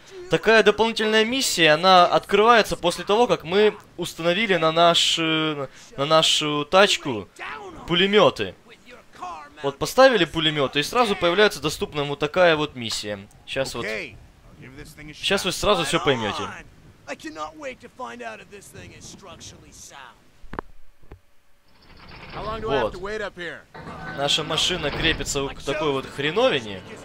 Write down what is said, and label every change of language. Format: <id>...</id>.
<ru>Такая дополнительная миссия, она открывается после того, как мы установили на нашу тачку пулеметы. Вот поставили пулеметы, и сразу появляется доступна вот такая вот миссия. Сейчас вот. Сейчас вы сразу все поймете.</ru> <en>I cannot wait to find out if this thing is structurally sound. How long do I have to wait up here?</en> <ru>Наша машина крепится к такой вот хреновине.</ru>